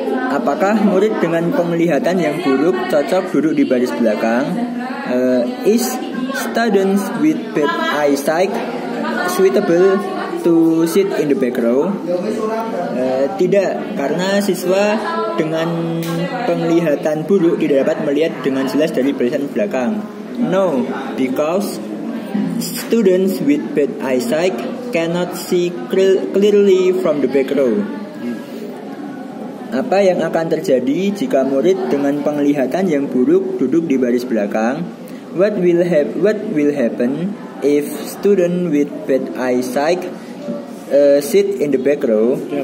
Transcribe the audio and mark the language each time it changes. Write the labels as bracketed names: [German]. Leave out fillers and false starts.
[Indonesian] Apakah murid dengan penglihatan yang buruk cocok duduk di baris belakang? [English] Is students with bad eyesight suitable to sit in the back row? [Indonesian] Tidak, karena siswa dengan penglihatan buruk tidak dapat melihat dengan jelas dari barisan belakang. [English] No, because students with bad eyesight cannot see clearly from the back row. [Indonesian] Apa yang akan terjadi jika murid dengan penglihatan yang buruk duduk di baris belakang? [English] What will happen if student with bad eyesight sit in the back row?